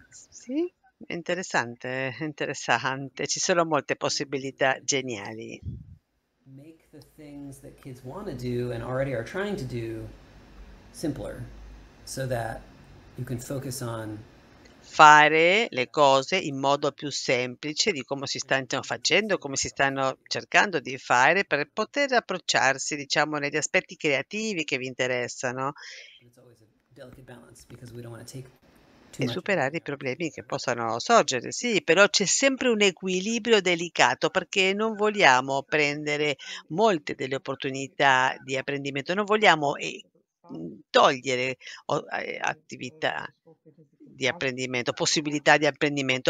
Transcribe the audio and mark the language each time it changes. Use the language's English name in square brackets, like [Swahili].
[Italian] Sì? Interessante, interessante. Ci sono molte possibilità geniali. [English] Make the things that kids want to do and already are trying to do simpler, so that you can focus on. [Italian] Fare le cose in modo più semplice di come si stanno facendo, come si stanno cercando di fare, per poter approcciarsi, diciamo, negli aspetti creativi che vi interessano. [English] It's always a delicate balance, because we don't want to take. [Italian] E superare i problemi che possano sorgere, sì, però c'è sempre un equilibrio delicato, perché non vogliamo prendere molte delle opportunità di apprendimento, non vogliamo togliere attività di apprendimento, possibilità di apprendimento.